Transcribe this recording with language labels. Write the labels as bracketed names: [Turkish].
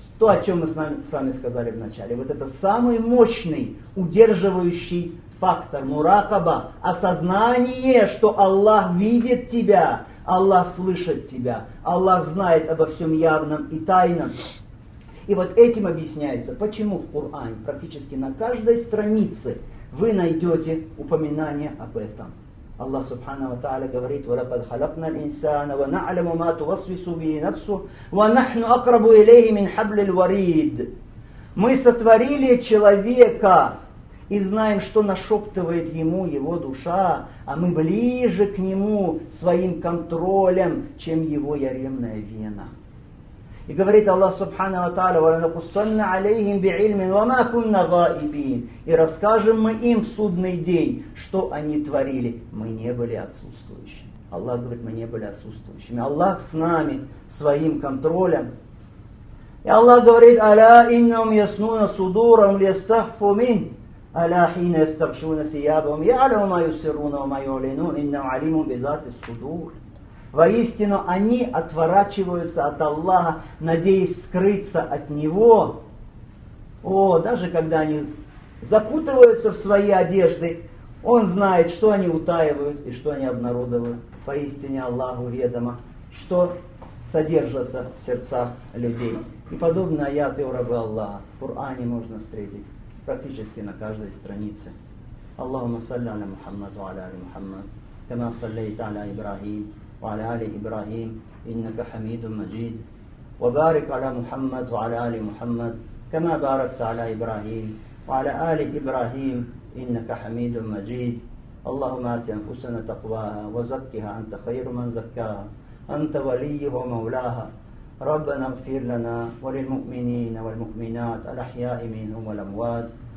[Russian] То, о чем мы с вами сказали в начале. Вот это самый мощный, удерживающий фактор, муракаба, осознание, что Аллах видит тебя, Аллах слышит тебя, Аллах знает обо всем явном и тайном. И вот этим объясняется, почему в Коране практически на каждой странице вы найдете упоминание об этом. Аллах Субхана ва Тааля говорит: [Arabic] وَلَقَدْ خَلَقْنَا الْإِنسَانَ وَنَعْلَمُ مَا تُوَسْوِسُ بِهِ نَفْسُهُ وَنَحْنُ أَقْرَبُ إِلَيْهِ مِنْ حَبْلِ الْوَرِيدِ. [Russian] Мы сотворили человека и знаем, что нашептывает ему его душа, а мы ближе к нему своим контролем, чем его яремная вена. И говорит Аллах Субхана ва Тааля: [Arabic] وَلَنَقُصَّنَّ عَلَيْهِمْ بِعِلْمٍ وَمَا كُنَّ غَائِبِينَ. [Russian] И расскажем мы им в судный день, что они творили. Мы не были отсутствующими. Аллах говорит, мы не были отсутствующими. Аллах с нами, своим контролем. И Аллах говорит: [Arabic] أَلَا إِنَّهُمْ يَسْنُونَ صُدُورًا لِيَسْتَخْفُوا مِنْ أَلَا حِينَ يَسْتَغْشُونَ ثِيَابَهُمْ يَعْلَمُ مَا يُسِرُّونَ وَمَا يُعْلِنُونَ إِنَّهُ عَلِيمٌ بِذَاتِ الصُّدُورِ. [Russian] Воистину, они отворачиваются от Аллаха, надеясь скрыться от Него. О, даже когда они закутываются в свои одежды, Он знает, что они утаивают и что они обнародовывают. Поистине Аллаху ведомо, что содержится в сердцах людей. И подобные аяты у рабы Аллаха в Коране можно встретить практически на каждой странице. [Arabic] Аллахумма салли аля Мухаммад ва аля Мухаммад, кама саллайта аля Ибрахим. وعلى آل إبراهيم إنك حميد مجيد وبارك على محمد وعلى آل محمد كما باركت على إبراهيم وعلى آل إبراهيم إنك حميد مجيد اللهم آت أنفسنا تقواها وزكها أنت خير من زكاها أنت وليها ومولاها ربنا اغفر لنا وللمؤمنين والمؤمنات الأحياء منهم والأموات